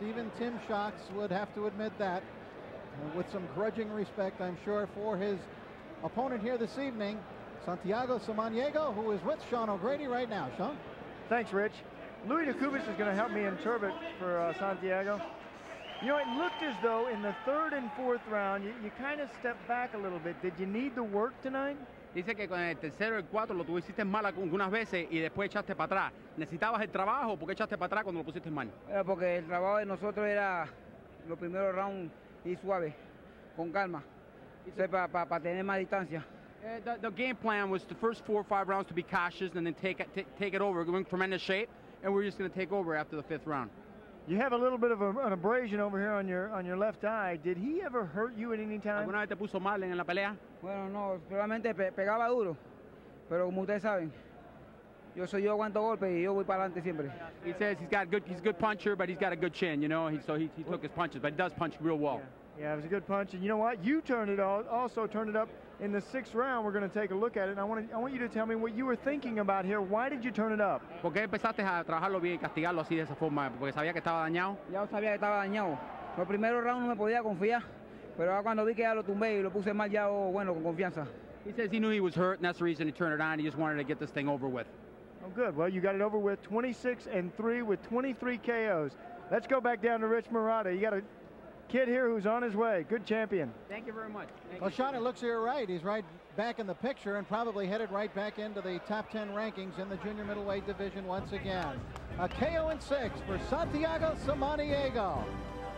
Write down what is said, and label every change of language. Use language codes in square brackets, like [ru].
[en] Even Tim Sox would have to admit that, with some grudging respect, I'm sure, for his opponent here this evening, Santiago Samaniego, who is with Sean O'Grady right now. Sean? Thanks, Rich. Louis Jacobus is going to help me interpret for Santiago. You know, it looked as though in the third and fourth round, you kind of stepped back a little bit. Did you need the work tonight? [es] Dice que con el tercero y el cuarto lo tuviste mal algunas veces y después echaste para atrás. ¿Necesitabas el trabajo o por qué echaste para atrás cuando lo pusiste mal? Era porque el trabajo de nosotros era los primeros rounds y suave, con calma, para tener más distancia. [en] The game plan was the first four or five rounds to be cautious and then take it over. We're in tremendous shape. and we're just going to take over after the fifth round. You have a little bit of an abrasion over here on your left eye. Did he ever hurt you at any time? [es] ¿Alguna vez te puso mal en la pelea? Bueno, no, solamente pegaba duro. Pero como ustedes saben, yo aguanto golpes y yo voy para adelante siempre. [en] He says he's a good puncher, but he's got a good chin, you know. He took his punches, but he does punch real well. Yeah, it was a good punch. And you know what? You turned it also turned it up in the sixth round. We're going to take a look at it. And I want you to tell me what you were thinking about here. Why did you turn it up? [es] ¿Por qué empezaste a trabajarlo bien y castigarlo así de esa forma? ¿Porque sabía que estaba dañado? Ya sabía que estaba dañado. Los primeros rounds no me podía confiar. Pero cuando vi que ya lo tumbé y lo puse mal, ya, bueno, con confianza. [en] He says he knew he was hurt, and that's the reason he turned it on. He just wanted to get this thing over with. Oh, good. Well, you got it over with 26-3 with 23 KOs. Let's go back down to Rich Murata. You got a kid here who's on his way. Good champion. Thank you very much. Well, Sean, it looks here right. He's right back in the picture and probably headed right back into the top 10 rankings in the junior middleweight division once again. A KO and six for Santiago Samaniego.